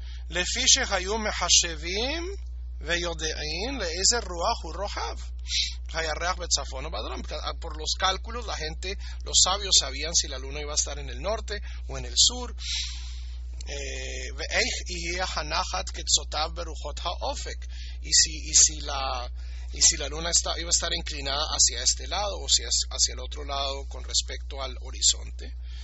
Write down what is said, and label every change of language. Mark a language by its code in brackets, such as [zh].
[he] לפי שהיו מחשבים ויודעים לאיזה רוח הוא רוחב הירח בצפון או בדרום. [es] Por los cálculos, la gente, los sabios sabían si la luna iba a estar en el norte o en el sur. [he] ואיך יהיה הנחת קצותיו ברוחות האופק. [es] Y si la luna iba a estar inclinada hacia este lado o hacia el otro lado con respecto al horizonte.